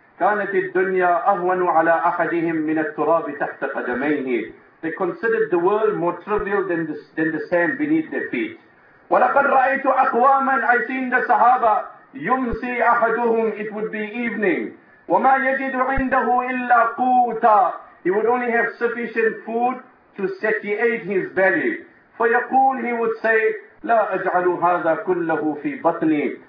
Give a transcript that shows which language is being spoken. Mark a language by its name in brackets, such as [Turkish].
[Arabic] كانت الدنيا أهون على أحدهم من التراب تحت قدميه. [English] They considered the world more trivial than the sand beneath their feet. [Arabic] ولقد رأيت أقواما. [English] I seen the صحابة. [Arabic] يمسي أحدهم. [English] It would be evening. [Arabic] وما يجد عنده إلا قوتا. [English] He would only have sufficient food to satiate his belly. [Arabic] فيقول. [English] He would say, [Arabic] لا أجعل هذا كله في بطني.